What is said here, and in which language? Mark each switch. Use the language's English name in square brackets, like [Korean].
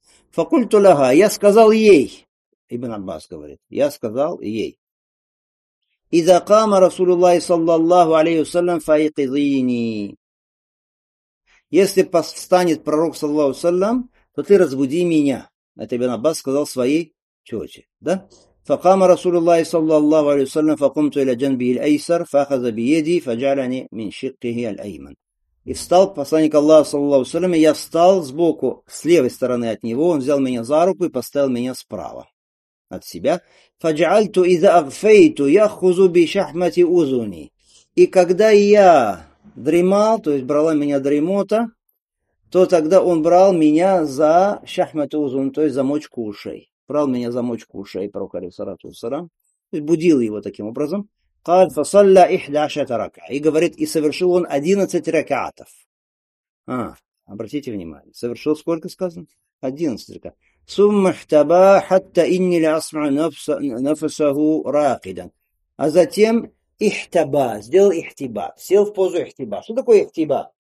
[Arabic] Факульту лага, [Russian] я сказал ей, ибн Аббас говорит, я сказал ей. [Arabic] Иза кама Расулуллахи саллаллаху алейхи саллям фаикизини. [Russian] Если встанет пророк саллаллаху саллям, то ты разбуди меня. Это ибн Аббас сказал своей тете, да? [Arabic] فقام رسول الله صلى الله عليه وسلم فقمت الى جنبه الايسر فاخذ بيدي فجعلني من شقه الايمن. [Russian] И встал посланник Аллаха саллаллаху алейхи ва саллям, я встал сбоку, с левой стороны от него, он взял меня за руку и поставил меня справа от себя. [Arabic] فجعلته اذا اغفيت ياخذ بشحمه اذني. [Russian] И когда я дремал, то есть брала меня дремота, то тогда он брал меня за шахмату узун, то есть замочку ушей. Брал меня замочку ушей, пророк алейхиссалату вассалам, то есть будил его таким образом, [Arabic] قال فصلى 11 ركعه, [Russian] и говорит, и совершил он 11 ракаатов. А, обратите внимание, совершил сколько сказано? 11 ракаат. [Arabic] ثم احتبى حتى اني لاسمع نفسه راقدا. [Russian] А затем احتبى, сделал احتباء, сел в позу احتباء. Что такое احتباء?